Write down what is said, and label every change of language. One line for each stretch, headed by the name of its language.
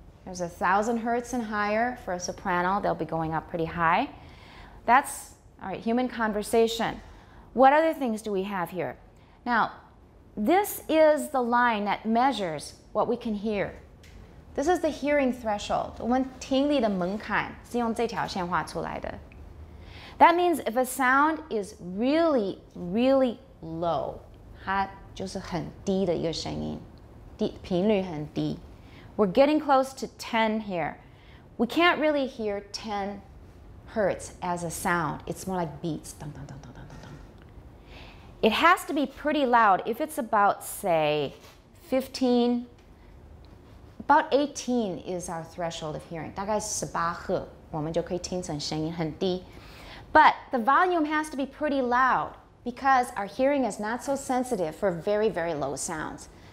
English: There's 1,000 hertz and higher for a soprano. They'll be going up pretty high. That's, all right, human conversation. What other things do we have here? Now, this is the line that measures what we can hear. This is the hearing threshold.
Chinese: 我们听力的门槛是用这条线画出来的。
English: That means if a sound is really, really low,
Chinese: 它就是很低的一个声音，低频率很低。
English: We're getting close to 10 here. We can't really hear 10 hertz as a sound. It's more like beats. Dun, dun, dun, dun, dun, dun, dun. It has to be pretty loud if it's about, say, 15. About 18 is our threshold of hearing.
Chinese: 大概18赫，我们就可以听成声音很低。
English: But the volume has to be pretty loud because our hearing is not so sensitive for very, very low sounds.